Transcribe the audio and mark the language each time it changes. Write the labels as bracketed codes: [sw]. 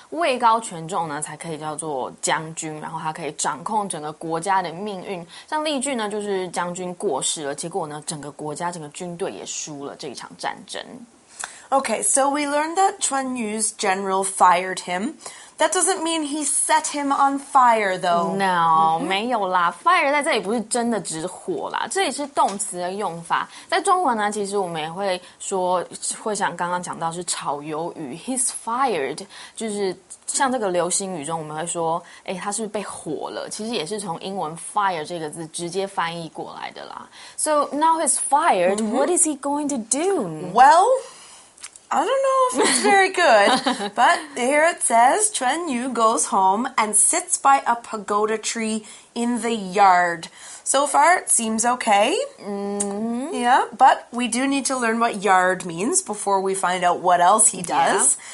[zh] 位高权重呢，才可以叫做将军。然后他可以掌控整个国家的命运。像例句呢，就是将军过世了，结果呢，整个国家、整个军队也输了这一场战争。 [en] Okay, so we learned that 淳于's general fired him. That doesn't mean he set him on fire, though. No,、 [zh] mm-hmm. 没有啦。 Fire 在这里不是真的指火啦，这里是动词的用法。在中文呢，其实我们也会说，会像刚刚讲到是炒鱿鱼。 [en] He's fired， [zh] 就是像这个流星雨中，我们会说，哎，他是被火了。其实也是从英文 fire 这个字直接翻译过来的啦。 [en] So now he's fired.、Mm-hmm. What is he going to do? Well. I don't know if it's very good, but here it says, 淳于goes home and sits by a pagoda tree in the yard. So far, it seems okay.、 Mm-hmm. Yeah, but we do need to learn what yard means before we find out what else he does.、Yeah.